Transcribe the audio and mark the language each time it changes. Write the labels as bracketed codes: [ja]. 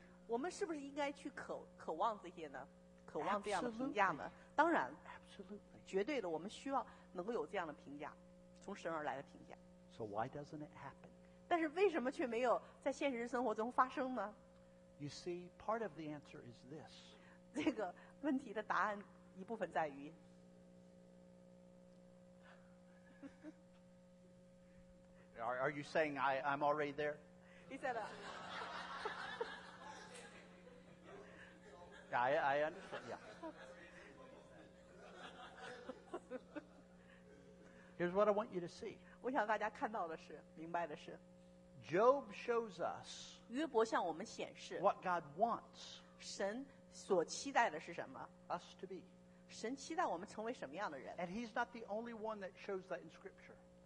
[zh] 我们是不是应该去渴望这些呢？渴望这样的评价呢？ [en] Absolutely. [zh] 当然 [en] Absolutely. [zh] 绝对的，我们需要能够有这样的评价，从神而来的评价。 [en] So why doesn't it happen? [zh] 但是为什么却没有在现实生活中发生呢？ [en] You see, part of the answer is this. [zh] 这个问题的答案一部分在于。 [en] Are you saying I'm already there? He said that. I understand, yeah. Here's what I want you to see. [zh] 我想大家看到的是，明白的是。 [en] Job shows us. [zh] 约伯向我们显示。 [en] What God wants. [zh] 神所期待的是什么 [en] ？Us to be. [zh] 神期待我们成为什么样的人 [en] ？And He's not the only one that shows that in Scripture.